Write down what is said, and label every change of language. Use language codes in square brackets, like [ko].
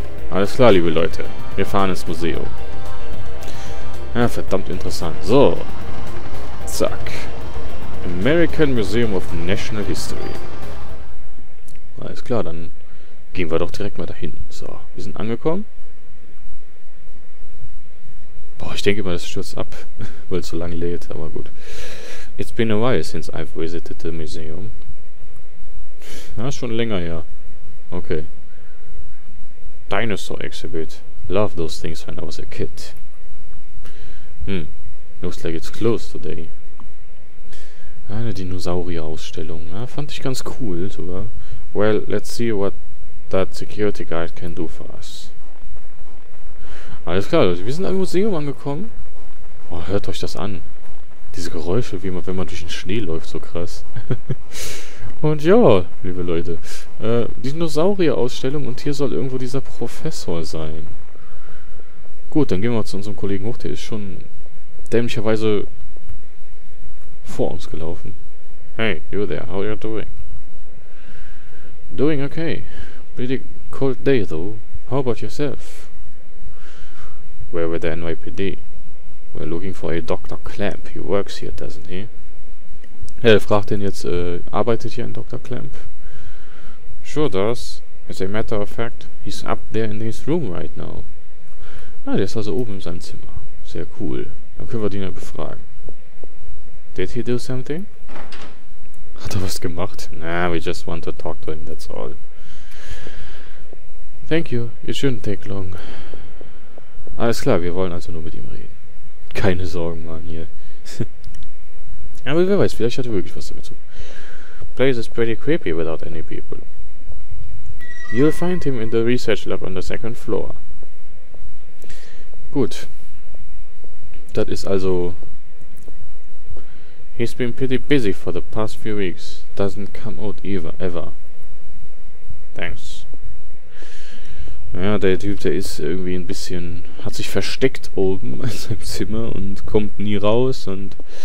[de] Alles klar, liebe Leute. Wir fahren ins Museum. Ja, verdammt interessant. So. Zack. [en] American Museum of National History. [de] Alles klar, dann gehen wir doch direkt mal dahin. So, wir sind angekommen. Boah, ich denke mal, das stürzt ab, weil es so lange lädt, aber gut. [en] It's been a while since I've visited the museum. [de] Ja, schon länger her. [en] Okay. Dinosaur Exhibit. Love those things when I was a kid. Looks like it's closed today. [de] Eine Dinosaurier-Ausstellung. Ja, fand ich ganz cool sogar. [en] Well, let's see what that security guard can do for us. [de] Alles klar, Leute. Wir sind am Museum angekommen. Oh, hört euch das an. Diese Geräusche, wie man, wenn man durch den Schnee läuft, so krass. Und ja, liebe Leute. Dinosaurier-Ausstellung, und hier soll irgendwo dieser Professor sein. Gut, dann gehen wir zu unserem Kollegen hoch. Der ist schon dämlicherweise vor uns gelaufen. [en] Hey, you there, how are you doing? Doing okay. Pretty cold day though. How about yourself? We're with the NYPD. We're looking for a Dr. Clamp. He works here, doesn't he? [de] Er fragt ihn jetzt, arbeitet hier ein Dr. Clamp? [en] Sure does. As a matter of fact, he's up there in his room right now. [de] Ah, der ist also oben in seinem Zimmer. Sehr cool. Dann können wir den ja befragen. [en] Did he do something? [de] Hat er was gemacht? [en] Nah, we just want to talk to him, that's all. Thank you. It shouldn't take long. [de] Alles klar, wir wollen also nur mit ihm reden. Keine Sorgen, Mann, hier. Aber wer weiß, vielleicht hat er wirklich was damit zu tun. [en] Place is pretty creepy without any people. You'll find him in the research lab on the second floor. [de] Gut. Das ist also... [en] He's been pretty busy for the past few weeks. Doesn't come out ever. Thanks. [de] Ja, der Typ, der ist irgendwie ein bisschen... hat sich versteckt oben in seinem Zimmer und kommt nie raus und...